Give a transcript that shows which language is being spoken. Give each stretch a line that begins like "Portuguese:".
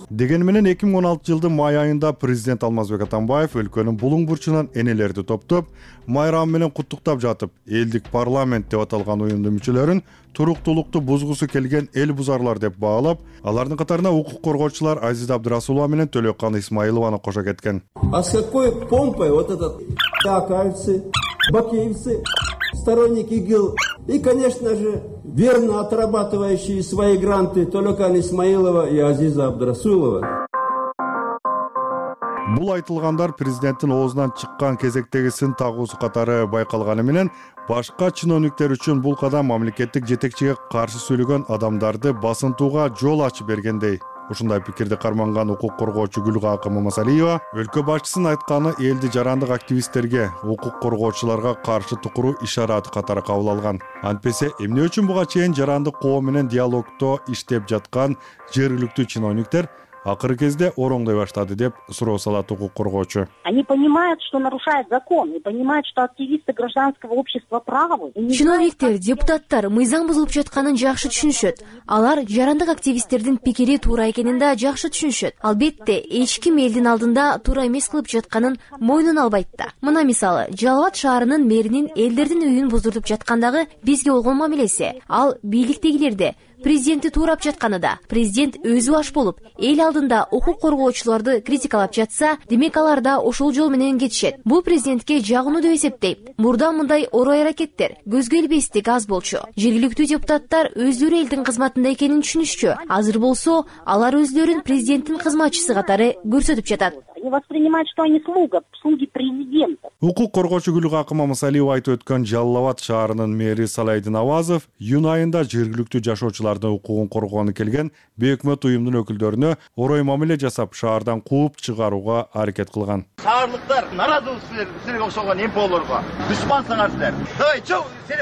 Kyrgyz: Деген менен 2016 жылдын май айында президент Алмазбек Атамбаев өлкөнүн булуң бурчунан энелерди топтоп, майрам менен куттуктап жатып, элдик парламент деп аталган уюмдун мүчөлөрүн туруктулукту бузгусу келген эл бузарлар деп баалап, алардын катарына укук коргоочулар Азиз Абдырасулова менен Төлөккан Исмаилованы кошо кеткен.
Russian: А с какой помпой вот этот акальцы, бакиевцы, сторонник ИГИЛ и, конечно же, верно отрабатывающие свои гранты Төлөккан Исмаилова и Азиза Абдырасулова.
Kyrgyz: Бул айтылгандар президенттин оозунан чыккан кезектеги сын тагуусу катары байкалганы менен башка чиновниктер үчүн бул кадам мамлекеттик жетекчиге каршы сүйлөгөн адамдарды басынтууга жол ачып бергендей. Ушундай пикирди карманган укук коргоочу Гүлгакы Мамасалиева өлкө башчысынын айтканы элди жарандык активисттерге, укук коргоочуларга каршы тукуруу ишарат катары кабыл алган. Антпесе эмне үчүн буга чейин жарандык коом менен диалогдо иштеп жаткан жергиликтүү чиновниктер акыркы кезде ороңдой баштады деп суроо салат укук коргоочу.
Russian: Они понимают, что нарушают закон, и понимают, что активисты гражданского общества правы.
Kyrgyz: Чиновниктер, депутаттар мыйзам бузулуп жатканын жакшы түшүнүшөт. Алар жарандык активисттердин пикири туура экенин да жакшы түшүнүшөт. Албетте, эч ким элдин алдында туура эмес кылып жатканын мойнун албайт да. Мына мисалы, Жалбат шаарынын мэринин элдердин үйүн буздурдуп жаткандагы бизге болгон мамилеси. Ал бийликтегилерди президентти туурап жатканы да, президент өзү аш болуп эл алдында укук коргоочуларды критикалап жатса, демек алар да ошол жол менен кетишет. Бул президентке жагууну деп эсептейм. Мурда мындай орой аракеттер көзгө элбестик аз болчу. Жергиликтүү депутаттар өздөрү элдин кызматында экенин түшүнүшчү. Азыр болсо алар өздөрүн президенттин кызматчысы катары көрсөтүп жатат.
Russian: Воспринимают, что они слуги президента.
Kyrgyz: Укук коргоочу Гүлгакы Мамасалиева айтып өткөн Жалал-Абад шаарынын мэри Салайдин Авазов июнь айында жергиликтүү жашоочулардын укугун коргогону келген бейөкмөт уюмдун өкүлдөрүнө орой мамиле жасап, шаардан кууп чыгарууга аракет кылган. Шаарлыктар нааразыбыз, силерге окшогон МПОлорго дүшмансыңар силер. Эй, чоо, сени